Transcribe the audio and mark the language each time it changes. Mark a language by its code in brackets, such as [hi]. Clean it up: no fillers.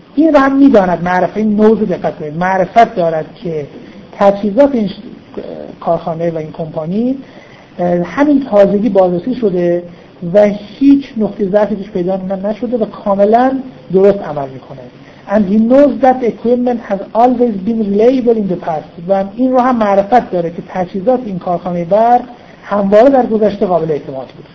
[fa] این رو هم میداند معرفه این نوز دقت کنید معرفت دارد که تجهیزات این کارخانه و این کمپانی همین تازگی بازرسی شده و هیچ نقطه ضعفی توش پیدا نشده و کاملا درست عمل میکنه. [en] And he knows that equipment has always been reliable in the past. [fa] و این رو هم معرفت داره که تجهیزات این کارخانه برق همواره در گذشته قابل اعتماد بود.